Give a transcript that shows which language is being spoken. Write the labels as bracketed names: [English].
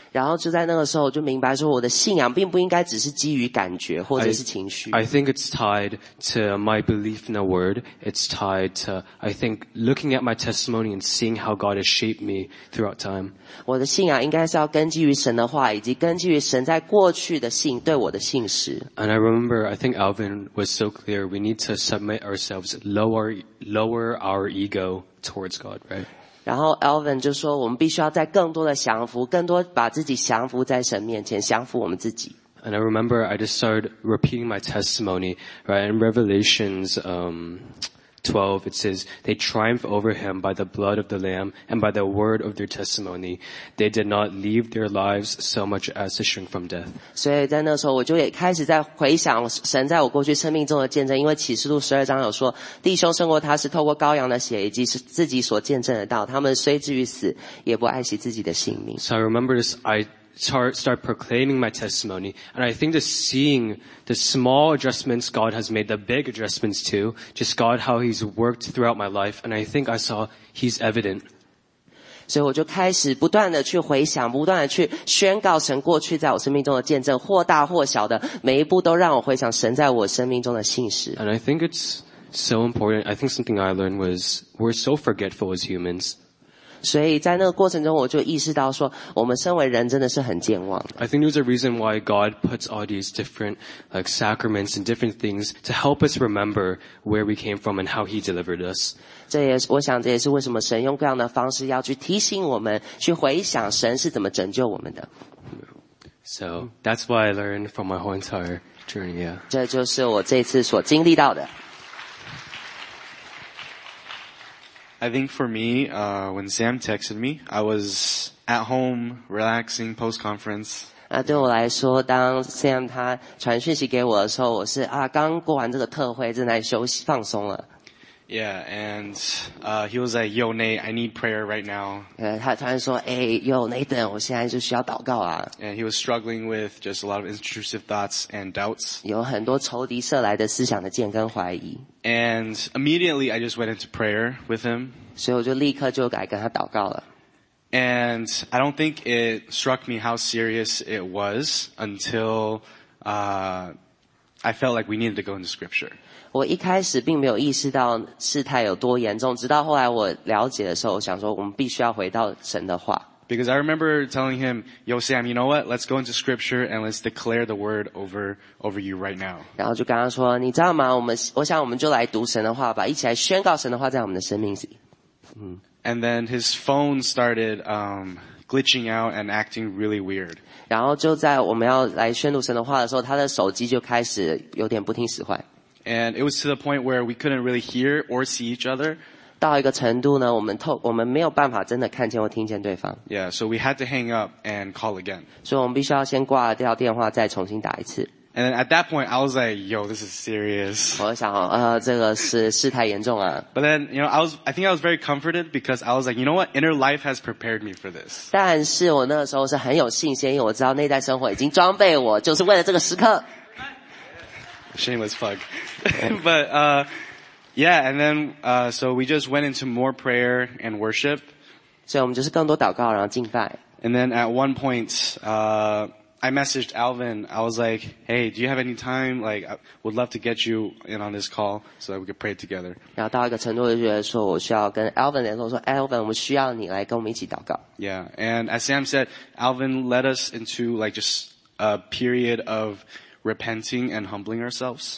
[Chinese] 然后就在那个时候，就明白说我的信仰并不应该只是基于感觉或者是情绪。 [English] I think it's tied to my belief in the word. It's tied to, I think, looking at my testimony and seeing how God has shaped me throughout time. [Chinese] 我的信仰应该是要根基于神的话，以及根基于神在过去的信对我的信实。 [English] And I remember, I think Alvin was so clear. We need to submit ourselves, lower our ego towards God, right? [Chinese] 然后 Alvin 就说，我们必须要在更多的降服，更多把自己降服在神面前，降服我们自己。 [English] And I remember I just started repeating my testimony, right? In Revelations 12, it says they triumph over him by the blood of the Lamb and by the word of their testimony. They did not leave their lives so much as to shrink from death. [Chinese] 所以在那时候，我就也开始在回想神在我过去生命中的见证。因为启示录十二章有说，弟兄胜过他是透过羔羊的血以及自己所见证的道。他们虽至于死，也不爱惜自己的性命。 [English] So I remember this. I start proclaiming my testimony, and I think just seeing the small adjustments God has made, the big adjustments too, just God, how He's worked throughout my life, and I think I saw He's evident. So I just [Chinese] 开始不断的去回想，不断的去宣告神过去在我生命中的见证，或大或小的，每一步都让我回想神在我生命中的信实。 [English] And I think it's so important. I think something I learned was we're so forgetful as humans. [Chinese] 所以在那个过程中，我就意识到说，我们身为人真的是很健忘的。 [English] I think there's a reason why God puts all these different like sacraments and different things to help us remember where we came from and how He delivered us. [Chinese] 这也是我想，这也是为什么神用各样的方式要去提醒我们，去回想神是怎么拯救我们的。 [English] So that's what I learned from my whole entire journey. Yeah. [Chinese] 这就是我这次所经历到的。 [English] I think for me, when Sam texted me, I was at home relaxing post-conference. [Chinese] 那对我来说，当 Sam 他传讯息给我的时候，我是啊，刚过完这个特会，正在休息放松了。 [English] Yeah, and he was like, "Yo, Nate, I need prayer right now." [Chinese] 他突然说，哎 ， [English] Yo, Nathan, [Chinese] 我现在就需要祷告啊。 [English] And he was struggling with just a lot of intrusive thoughts and doubts. [Chinese] 有很多仇敌射来的思想的箭跟怀疑。 [English] And immediately I just went into prayer with him. [Chinese] 所以我就立刻就改跟他祷告了。 [English] And I don't think it struck me how serious it was until, I felt like we needed to go into scripture. [Chinese] 我一开始并没有意识到事态有多严重，直到后来我了解的时候，我想说我们必须要回到神的话。 [English] Because I remember telling him, "Yo, Sam, you know what? Let's go into Scripture and let's declare the word over you right now." [Chinese] 然后就跟他说，你知道吗？我想我们就来读神的话吧，一起来宣告神的话在我们的生命里。嗯。 [English] And then his phone started glitching out and acting really weird. [Chinese] 然后就在我们要来宣读神的话的时候，他的手机就开始有点不听使唤。 [English] And it was to the point where we couldn't really hear or see each other. [Chinese] 到一个程度呢，我们没有办法真的看见或听见对方。 [English] Yeah, so we had to hang up and call again. [Chinese] 所以我们必须要先挂掉电话，再重新打一次。 [English] And at that point, I was like, "Yo, this is serious." [Chinese] 我想，这个是事态严重啊。 [English] But then, you know, I think I was very comforted because I was like, "You know what? Inner life has prepared me for this." [Chinese] 但是我那个时候是很有信心，因为我知道内在生活已经装备我，就是为了这个时刻。 [English] Shameless plug, but. Yeah, and then, so we just went into more prayer and worship. [Chinese] 所以我们就是更多祷告，然后敬拜。 [English] And then at one point, I messaged Alvin. I was like, "Hey, do you have any time? Like, I would love to get you in on this call so that we could pray together." [Chinese] 然后到一个程度就觉得说，我需要跟 Alvin 联络，说 Alvin, 我们需要你来跟我们一起祷告。 [English] Yeah, and as Sam said, Alvin led us into like just a period of repenting and humbling ourselves.